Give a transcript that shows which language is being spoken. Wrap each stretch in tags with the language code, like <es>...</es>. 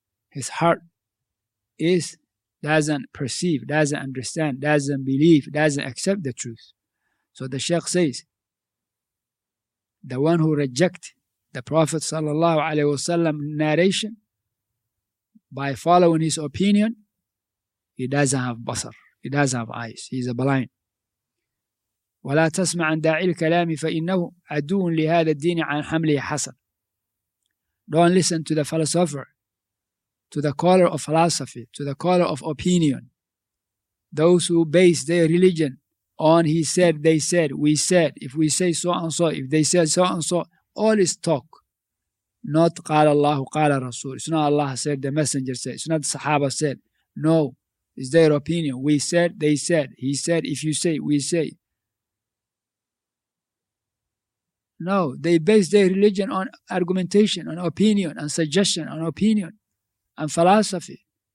<en>his heart is doesn't perceive, doesn't understand, doesn't believe, doesn't accept the truth. So the Shaykh says, the one who rejects the Prophet sallallahu alaihi wasallam narration by following his opinion, he doesn't have basar, he doesn't have eyes, he's a blind.</en> <ar>ولا تسمع عن داعي الكلام فإنه عدو لهذا الدين عن حمله حسن.</ar> <en>Don't listen to the philosopher, to the caller of philosophy, to the caller of opinion. Those who base their religion on he said, they said, we said, if we say so and so, if they said so and so, all is talk. Not</en> <ar>قال الله قال رسول.</ar> <en>It's not Allah said, the messenger said. It's not the Sahaba said. No, it's their opinion. We said, they said, he said, if you say, we say. No, they base their religion on argumentation, on opinion, on suggestion, on opinion, and philosophy.</en>